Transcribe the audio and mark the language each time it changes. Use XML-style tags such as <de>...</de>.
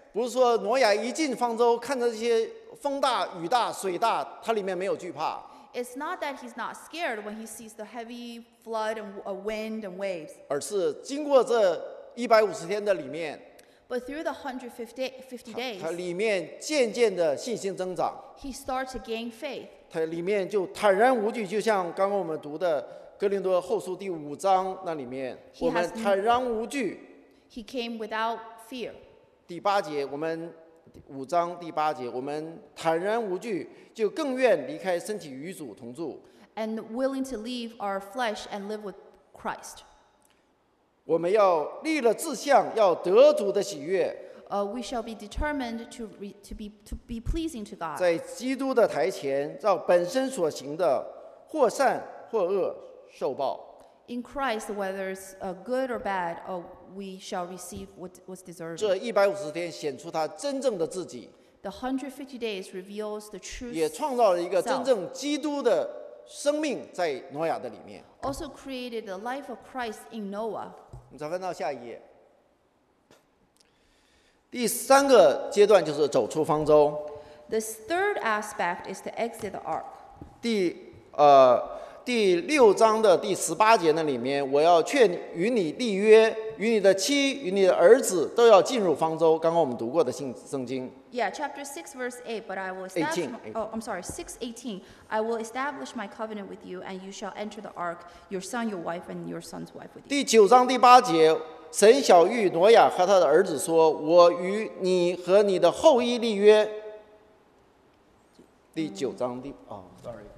<zh>不是说挪亚一进方舟，看着这些风大、雨大、水大，他里面没有惧怕。</zh> <en>It's not that he's not scared when he sees the heavy flood and wind and waves.</en> <zh>而是经过这150天的里面。</zh> <en>But through the 150 days,</en> <zh>他里面渐渐的信心增长。</zh> <en>He starts to gain faith.</en> <zh>他里面就坦然无惧，就像刚刚我们读的《哥林多后书》第五章那里面，我们坦然无惧。</zh> <en>He came without fear.</en> <zh>第八节，我们五章第八节，我们坦然无惧，就更愿离开身体与主同住。</zh> <en>And willing to leave our flesh and live with Christ.</en> <zh>我们要立了志向，要得主的喜悦。</zh> <en>We shall be determined to be pleasing to God.</en> <zh>在基督的台前，照本身所行的，或善或恶，受报。</zh> <en>In Christ, whether it's good or bad, we shall receive what's deserved.</en> <zh>这一百五十天显出他真正的自己。</zh> <en>The 150 days reveals the truth.</en> <zh>也创造了一个真正基督的生命在挪亚的里面。</zh> <en>Also created the life of Christ in Noah.</en> <zh>我们再翻到下一页。第三个阶段就是走出方舟。</zh> <en>The third aspect is to exit the ark.</en> <zh>第六章的第十八节那里面，我要劝与你立约，与你的妻，与你的儿子都要进入方舟。刚刚我们读过的圣经。</zh> <en>Yeah, chapter 6, verse 8, but I will establish. 18. Oh, I'm sorry, 6:18. I will establish my covenant with you, and you shall enter the ark, your son, your wife, and your son's wife with you.</en> <zh>第九章第八节，神晓谕挪亚和他的儿子说：“我与你和你的后裔立约。” 第九章第哦、</zh> <en>oh, ，sorry.</en>